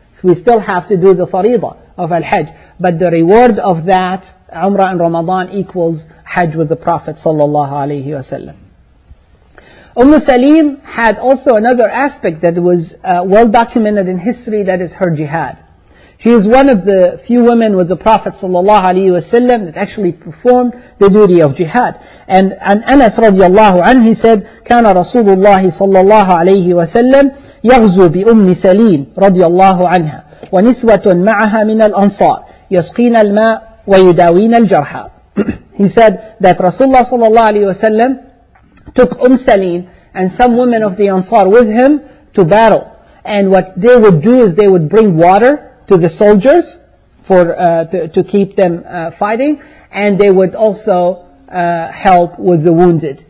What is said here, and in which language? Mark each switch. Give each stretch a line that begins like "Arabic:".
English: We still have to do the fariḍah of al-Hajj. But the reward of that, Umrah in Ramadan, equals Hajj with the Prophet sallallahu alayhi wa sallam. Salim had also another aspect that was well documented in history, that is her jihad. She is one of the few women with the Prophet sallallahu alayhi wa sallam that actually performed the duty of jihad. And Anas radiallahu anhu, he said,
Arabic: "Kana Rasulullah sallallahu alayhi wa sallam يغزو بأم سليم رضي الله عنها ونسوة معها من الأنصار يسقين الماء ويداوين الجرحى."
English: He said that Rasulullah sallallahu alaihi wasallam took Salim and some women of the Ansar with him to battle, and what they would do is they would bring water to the soldiers to keep them fighting, and they would also help with the wounded.